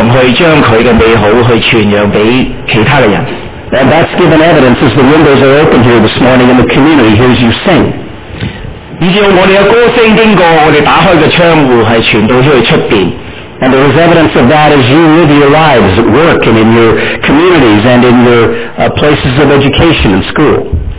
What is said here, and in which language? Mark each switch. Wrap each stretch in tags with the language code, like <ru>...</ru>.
<zh>祂是这么美好,这么神圣,以致我们有一个力量去将祂的美好去传扬给其他的人。</zh> <en>And that's given evidence as the windows are open here this morning and the community hears you sing.</en> <zh>以致我们的歌声经过,我们打开的窗户是传到出去外面。</zh> <en>And there is evidence of that as you live your lives at work and in your communities and in your places of education and school.</en>